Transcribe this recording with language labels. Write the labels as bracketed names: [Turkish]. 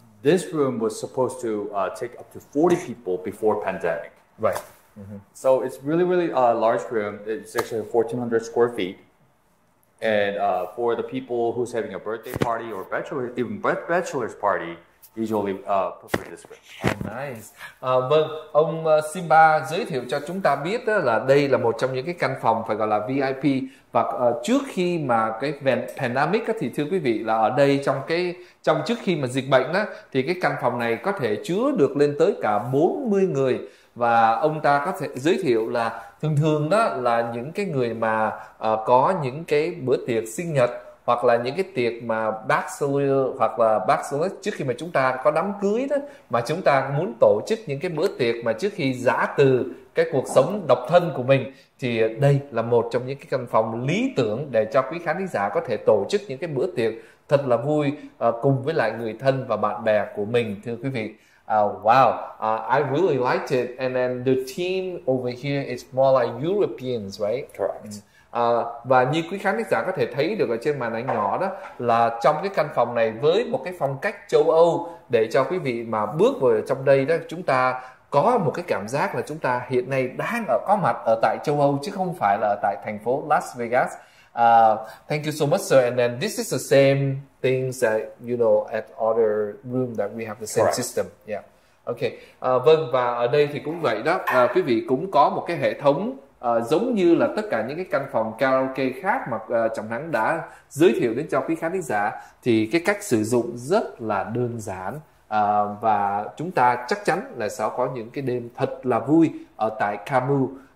[English] This room was supposed to take up to 40 people before pandemic. Right. Mm-hmm. So it's really, really a large room. It's actually 1,400 square feet. And for the people who's having a birthday party or bachelor's party, usually prefer this room. Nice. [Vietnamese] Vâng, ông Simba giới thiệu cho chúng ta biết là đây là một trong những cái căn phòng phải gọi là VIP. Và trước khi mà cái pandemic thì thưa quý vị là ở đây trong trước khi mà dịch bệnh thì cái căn phòng này có thể chứa được lên tới cả 40 người. Và ông ta có thể giới thiệu là thường thường đó là những cái người mà có những cái bữa tiệc sinh nhật hoặc là những cái tiệc mà bachelor hoặc là bachelorette, trước khi mà chúng ta có đám cưới đó, mà chúng ta muốn tổ chức những cái bữa tiệc mà trước khi giã từ cái cuộc sống độc thân của mình, thì đây là một trong những cái căn phòng lý tưởng để cho quý khán giả có thể tổ chức những cái bữa tiệc thật là vui cùng với lại người thân và bạn bè của mình, thưa quý vị. [English] Wow, I really liked it. And then the theme over here is more like Europeans, right? Correct. [Vietnamese] Và như quý khán giả có thể thấy được ở trên màn ảnh nhỏ đó, là trong cái căn phòng này với một cái phong cách châu Âu, để cho quý vị mà bước vào trong đây đó, chúng ta có một cái cảm giác là chúng ta hiện nay đang ở có mặt ở tại châu Âu chứ không phải là ở tại thành phố Las Vegas. [English] Thank you so much, sir. And then this is the same things that you know at other room that we have the same correct system. Yeah. Okay. [Vietnamese] Vâng, và ở đây thì cũng vậy đó. Quý vị cũng có một cái hệ thống giống như là tất cả những cái căn phòng karaoke khác mà Trọng Thắng đã giới thiệu đến cho quý khán giả, thì cái cách sử dụng rất là đơn giản. Và chúng ta chắc chắn là sẽ có những cái đêm thật là vui ở tại Camus.